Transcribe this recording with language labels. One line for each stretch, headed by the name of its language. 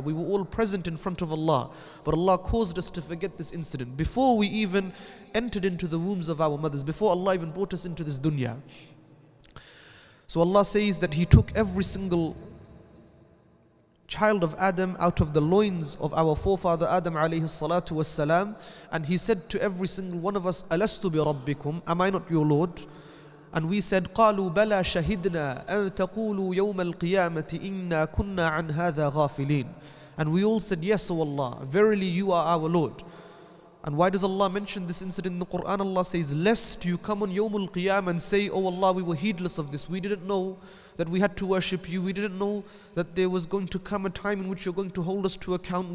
English: We were all present in front of Allah, but Allah caused us to forget this incident before we even entered into the wombs of our mothers, before Allah even brought us into this dunya. So Allah says that He took every single child of Adam out of the loins of our forefather Adam alayhi salatu wasalam, and He said to every single one of us,
Arabic: أَلَسْتُ بِرَبِّكُمْ,
English: am I not your Lord? And we said,
Arabic: قَالُوا بَلَا شَهِدْنَا أَن تَقُولُوا يَوْمَ الْقِيَامَةِ إِنَّا كُنَّا عَنْ هَذَا غَافِلِينَ.
English: And we all said, yes, O Allah, verily you are our Lord. And why does Allah mention this incident in the Quran? Allah says, lest you come on يَوْمُ الْقِيَامَةِ and say, O Allah, we were heedless of this. We didn't know that we had to worship you. We didn't know that there was going to come a time in which you're going to hold us to account.